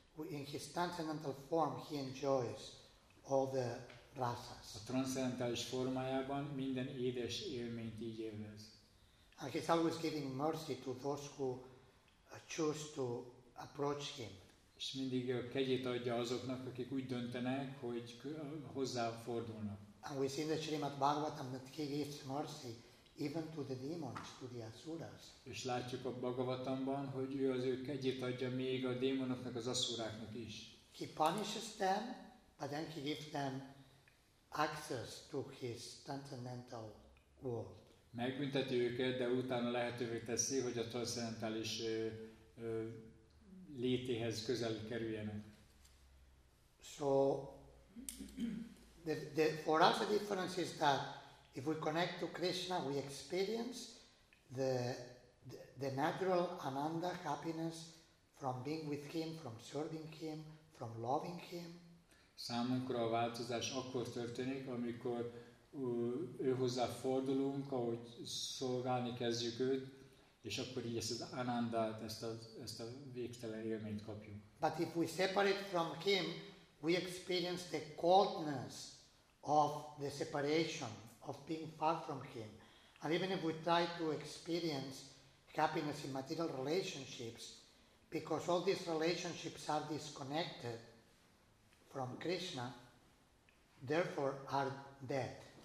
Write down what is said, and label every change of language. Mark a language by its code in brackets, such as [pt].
[en] In his transcendental form, he enjoys all the rasas. [hu] A transzcendentális formájában minden édes élményt így élvez. [en] And he's always giving mercy to those who choose to approach him. [hu] És mindig kegyét adja azoknak, akik úgy döntenek, hogy hozzá fordulnak. [en] And we see in the Srimad Bhagavatam that he gives mercy even to the demons, to the asuras. [hu] És látjuk a Bhagavatamban, hogy ő az ő kegyét adja még a démonoknak, az aszuráknak is. [en] He punishes them, but then he gives them access to his transcendental world. [hu] Megbünteti őket, de utána lehetővé teszi, hogy a transzcendentális létéhez közel kerüljenek. [en] So, for us the difference is that if we connect to Krishna, we experience the natural ananda, happiness from being with him, from serving him, from loving him. [hu] Számunkra a változás akkor történik, amikor őhozzá fordulunk, ahogy szolgálni kezdjük őt, és akkor így ezt az anandát, ezt a végtelen élményt kapjuk. [en] But if we separate from him, we experience the coldness of the separation, of being far from him. And even if we try to experience happiness in material relationships, because all these relationships are disconnected from Krishna, therefore are dead.